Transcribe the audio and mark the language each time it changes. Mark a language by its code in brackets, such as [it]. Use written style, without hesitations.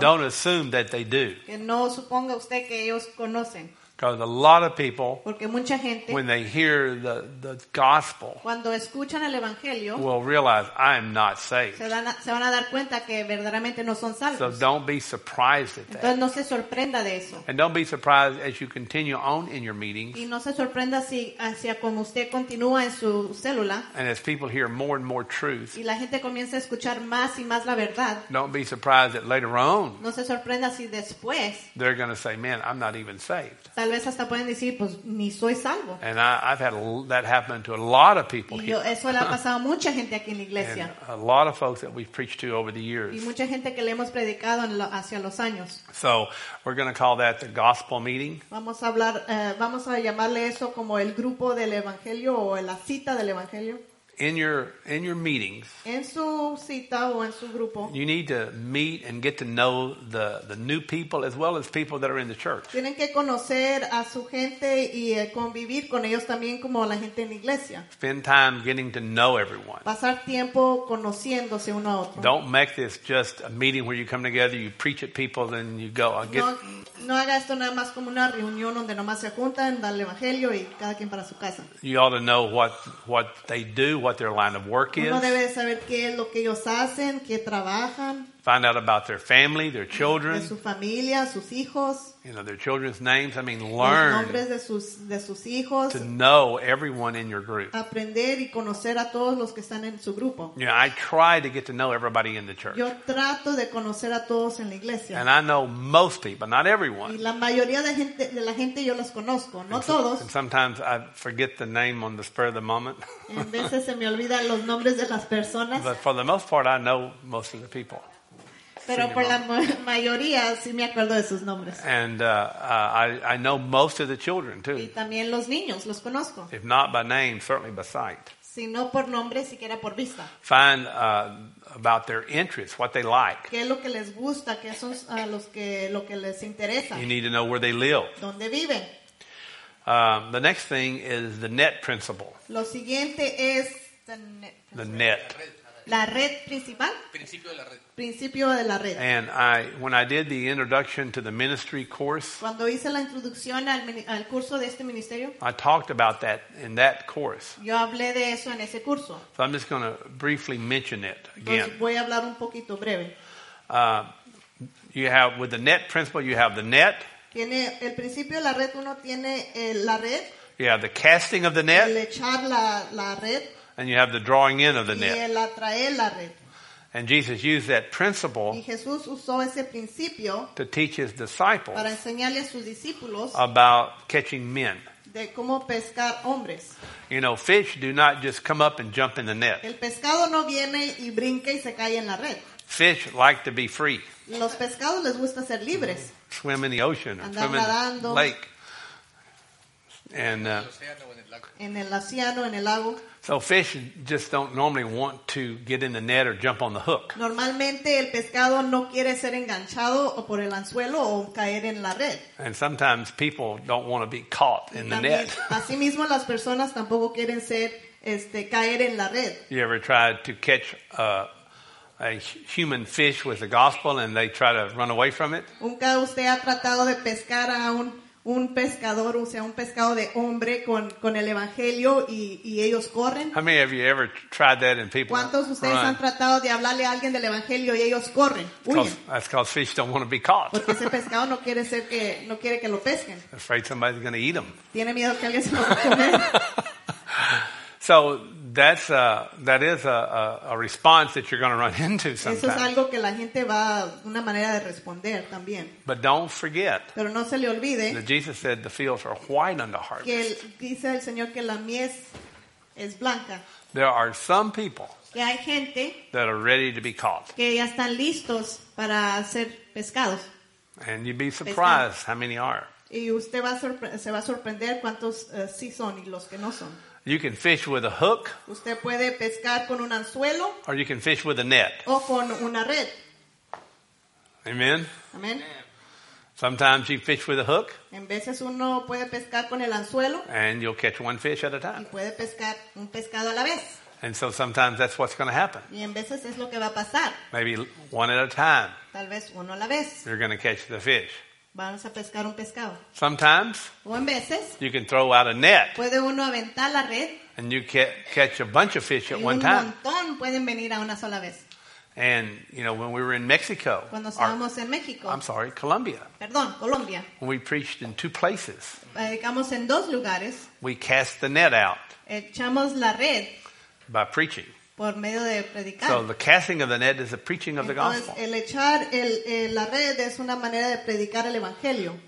[en] don't assume that they do. [es] Que no suponga usted que ellos conocen. [en] Because a lot of people, [es] porque mucha gente, [en] when they hear the gospel, [es] cuando escuchan el evangelio, [en] will realize I am not saved. [es] Se van a dar cuenta que verdaderamente no son salvos. [en] So don't be surprised at that. [es] Entonces no se sorprenda de eso. [en] And don't be surprised as you continue on in your meetings. [es] Y no se sorprenda si hacia como usted continúa en su célula. [en] And as people hear more and more truth, [es] y la gente comienza a escuchar más y más la verdad. [en] Don't be surprised that later on, [es] no se sorprenda si después, [en] they're going to say, "Man, I'm not even saved." [es] tal vez hasta pueden decir, pues ni soy salvo. [en] And I've had that happen to a lot of people here. [es] Y eso le ha pasado a mucha gente aquí en la iglesia. [en] And a lot of folks that we've preached to over the years. [es] Y mucha gente que le hemos predicado hacia los años. [en] So we're going to call that the gospel meeting. [es] Vamos a hablar, vamos a llamarle eso como el grupo del evangelio o la cita del evangelio. [en] In your meetings, [es] en su cita o en su grupo, [en] you need to meet and get to know the new people as well as people that are in the church. [es] Tienen que conocer a su gente y convivir con ellos también como la gente en la iglesia. [en] Spend time getting to know everyone. [es] Pasar tiempo conociéndose uno a otro. [en] Don't make this just a meeting where you come together, you preach at people, then you go. [es] No haga esto nada más como una reunión donde nomás se juntan, dan el evangelio y cada quien para su casa. [en] You ought to know what they do, what their line of work is. [es] Uno debe saber qué es lo que ellos hacen, qué trabajan. [en] Find out about their family, their children. [es] De su familia, sus hijos. [en] You know, their children's names. I mean, learn. [es] Los nombres de sus hijos. [en] To know everyone in your group. [es] Aprender y conocer a todos los que están en su grupo. [en] Yeah, I try to get to know everybody in the church. [es] Yo trato de conocer a todos en la iglesia. [en] And I know most people, not everyone. [es] Y la mayoría de la gente yo los conozco, no todos. [en] And sometimes I forget the name on the spur of the moment. [es] En veces se me olvidan los nombres de las personas. [en] But for the most part, I know most of the people. [es] Pero por la mayoría sí me acuerdo de sus nombres. [en] And I know most of the children too. [es] Y también los niños los conozco. [en] If not by name, certainly by sight. [es] Si no por nombre, siquiera por vista. [en] Find about their interests, what they like. [es] Qué es lo que les gusta, qué son lo que les interesa. [en] You need to know where they live. [es] Dónde viven. [en] The next thing is the net principle. [es] Lo siguiente es [en] the net principle. The net. [es] La red principal. Principio de la red. Principio de la red. [en] And when I did the introduction to the ministry course. [es] Cuando hice la introducción al curso de este ministerio. [en] I talked about that in that course. [es] Yo hablé de eso en ese curso. [en] So I'm just going to briefly mention it again. [es] Entonces voy a hablar un poquito breve. [en] You have with the net principle, you have the net. [es] Tiene el principio de la red. Uno tiene la red. [en] You have the casting of the net. [es] El echar la red. [en] And you have the drawing in of the net. [es] Y el atraer la red. [en] And Jesus used that principle. [es] Y Jesús usó ese principio [en] to teach his disciples. [es] Para enseñarle a sus discípulos [en] about catching men. [es] De cómo pescar hombres. [en] You know, fish do not just come up and jump in the net. [es] El pescado no viene y brinca y se cae en la red. [en] Fish like to be free. [es] Los pescados les gusta ser libres. [en] Swim in the ocean or [es] andar [en] swim in [es] nadando. [en] The lake. And [es] en el océano, en el lago. [en] So fish just don't normally want to get in the net or jump on the hook. [es] Normalmente el pescado no quiere ser enganchado o por el anzuelo o caer en la red. [en] And sometimes people don't want to be caught in the net. [es] Asimismo las personas tampoco quieren ser caer en la red. [en] You ever tried to catch a human fish with the gospel and they try to run away from it? [es] ¿Nunca usted ha tratado de pescar a un pescador, o sea, un pescado de hombre con el evangelio y ellos corren? [en] How many of you ever tried that and people [es] ¿Cuántos ustedes [en] run? [es] Han tratado de hablarle a alguien del evangelio y ellos corren? [en] That's because fish don't want to be caught. [es] Porque ese pescado no quiere que lo pesquen. [en] Afraid somebody's going to eat them. [es] Tiene miedo que alguien se lo va a comer. [en] So that is a response that you're going to run into sometimes. [es] Eso es algo que la gente va una manera de responder también. [en] But don't forget. [es] Pero no se le olvide. [en] That Jesus said the fields are white unto harvest. [es] Que dice el Señor que la mies es blanca. [en] There are some people. [es] Que hay gente. [en] That are ready to be caught. [es] Que ya están listos para ser pescados. [en] And you'd be surprised [es] pescados. [en] How many are. [es] Y usted se va a sorprender cuántos sí son y los que no son. [en] You can fish with a hook. [es] Usted puede pescar con un anzuelo. [en] Or you can fish with a net. [es] O con una red. [en] Amen. [es] Amen. [en] Sometimes you fish with a hook. [es] En veces uno puede pescar con el anzuelo. [en] And you'll catch one fish at a time. [es] Y puede pescar un pescado a la vez. [en] And so sometimes that's what's going to happen. [es] Y en veces es lo que va a pasar. [en] Maybe one at a time. [es] Tal vez uno a la vez. [en] You're going to catch the fish. [es] Vamos a pescar un pescado. [en] Sometimes, [es] o en veces, [en] you can throw out a net. [es] Puede uno aventar la red. [en] And you catch a bunch of fish at one time. [es] Y un montón pueden venir a una sola vez. [en] And you know when we were in Mexico. [es] Cuando estábamos en México. [en] I'm sorry, Colombia. [es] Perdón, Colombia. [en] When we preached in two places. [es] Predicamos en dos lugares. [en] We cast the net out. [es] Echamos la red. [en] By preaching. [es] por medio de predicar. [en] So the casting of the net is the preaching of the gospel. [es] Entonces, el echar la red es una manera de predicar el evangelio.